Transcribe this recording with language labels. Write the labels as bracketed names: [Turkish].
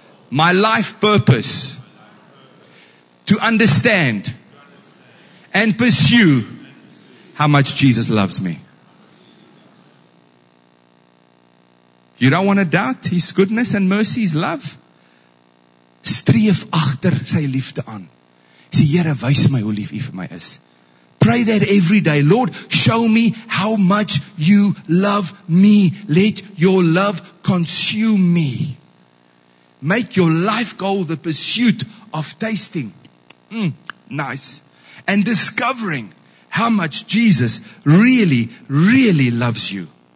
[English] My life purpose. To understand and pursue how much Jesus loves me. You don't want to doubt His goodness and mercy, His love? [Afrikaans] Streef achter sy liefde aan. Sê, Here, wys my hoe lief U vir my is. [English] Pray that every day. Lord, show me how much You love me. Let Your love consume me. Make your life goal the pursuit of tasting. Nice. And discovering how much Jesus really, really loves you.